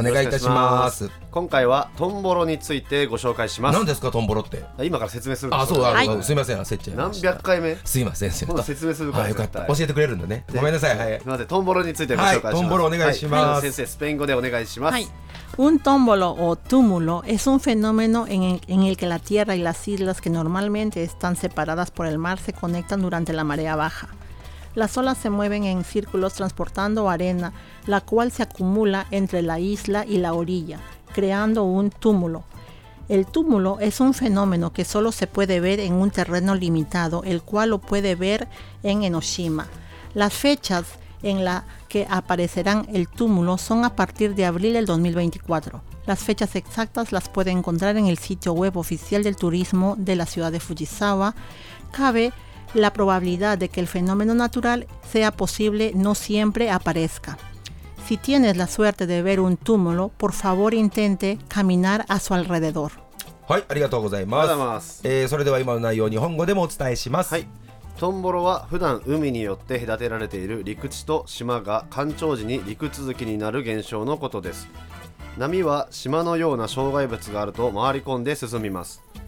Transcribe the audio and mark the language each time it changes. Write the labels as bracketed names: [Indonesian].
[Japanese] お願いいたします。今回はトンボロについてご紹介します。何ですかトンボロって。今から説明するんですか。そう、すいません、焦っちゃいました。何百回目、すいません、今度説明するから。よかった、教えてくれるんだね。ごめんなさい、はい、すいません。トンボロについてご紹介します。トンボロお願いします。先生、スペイン語でお願いします。 [Spanish] Un tómbolo o túmulo es un fenómeno en el que la tierra y las islas que normalmente están separadas por el mar se conectan durante la marea baja. Las olas se mueven en círculos transportando arena, la cual se acumula entre la isla y la orilla, creando un túmulo. El túmulo es un fenómeno que solo se puede ver en un terreno limitado, el cual lo puede ver en Enoshima. Las fechas en la que aparecerán el túmulo son a partir de abril del 2024. Las fechas exactas las puede encontrar en el sitio web oficial del turismo de la ciudad de Fujisawa. Cabe la probabilidad de que el fenómeno natural sea posible no siempre aparezca. Si tienes la suerte de ver un túmulo, por favor intente caminar a su alrededor. [Japanese] はい、ありがとうございます。ございます。それでは今の内容を日本語でもお伝えします。はい。トンボロは普段海によって隔てられている陸地と島が干潮時に陸続きになる現象のことです。波は島のような障害物があると回り込んで進みます。